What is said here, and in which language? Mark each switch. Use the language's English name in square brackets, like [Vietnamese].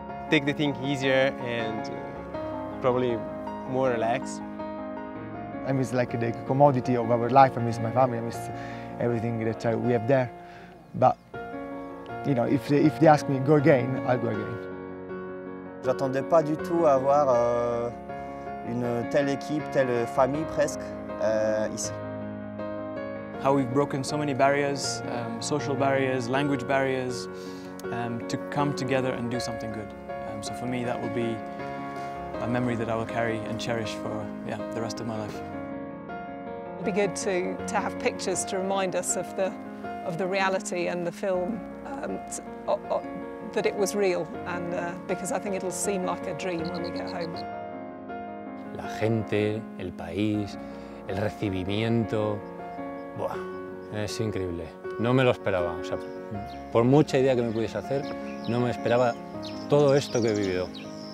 [English] Take the thing easier and probably more relaxed. I miss like the commodity of our life. I miss my family. I miss everything that we have there. But you know, if they ask me go again, I'll go again. [French] J'attendais pas du tout à avoir une telle équipe, telle famille presque ici. [English] How we've broken so many barriers, social barriers, language barriers, to come together and do something good. So for me, that will be a memory that I will carry and cherish for the rest of my life. It'd be good to have pictures to remind us of the reality and the film, that it was real, and because I think it'll seem like a dream when we get home. [Spanish] La gente, el país, el recibimiento, buah, es increíble. No me lo esperaba. O sea, por mucha idea que me pudiese hacer, no me esperaba todo esto que he vivido.